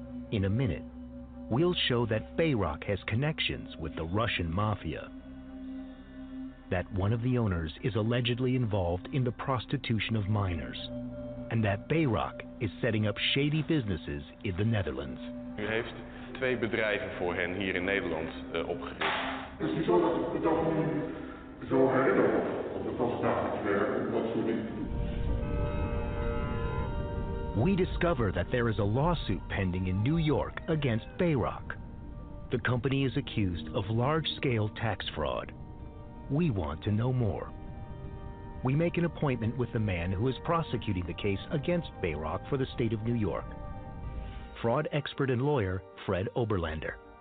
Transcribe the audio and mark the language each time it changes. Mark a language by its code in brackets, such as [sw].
[en] In a minute, we'll show that Bayrock has connections with the Russian mafia, that one of the owners is allegedly involved in the prostitution of minors, and that Bayrock is setting up shady businesses in the Netherlands. [nl] Twee bedrijven voor hen hier in Nederland opgericht. Het is niet zo dat ik me dat nu zo herinner, of het was dagelijks werk om dat soort dingen te doen. [en] We discover that there is a lawsuit pending in New York against Bayrock. The company is accused of large-scale tax fraud. We want to know more. we make an appointment with the man who is prosecuting the case against Bayrock for the state of New York, fraud expert and lawyer Fred Oberlander.